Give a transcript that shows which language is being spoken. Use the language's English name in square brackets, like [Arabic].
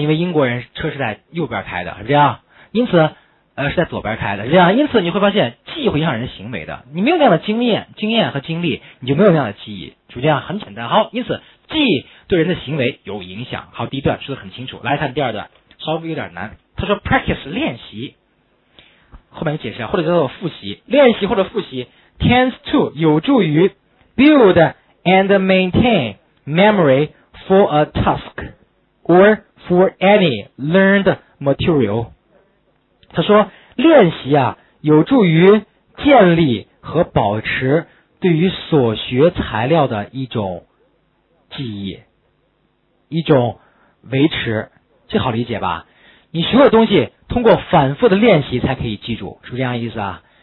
[Chinese] 因为英国人车是在右边开的，是这样？因此是在左边开的，是这样？因此你会发现记忆会影响人行为的。你没有那样的经验和经历，你就没有那样的记忆。就这样，很简单。好，因此记忆对人的行为有影响。好，第一段说得很清楚。来看第二段，稍微有点难。他说 practice 练习，后面解释，或者叫做复习，练习或者复习 [English] tends to [Chinese] 有助于 [English] build and maintain memory for a task or for any learned material。 [Chinese] 他说练习啊，有助于建立和保持对于所学材料的一种记忆，一种维持，这好理解吧？你学的东西通过反复的练习才可以记住，是不是这样意思啊？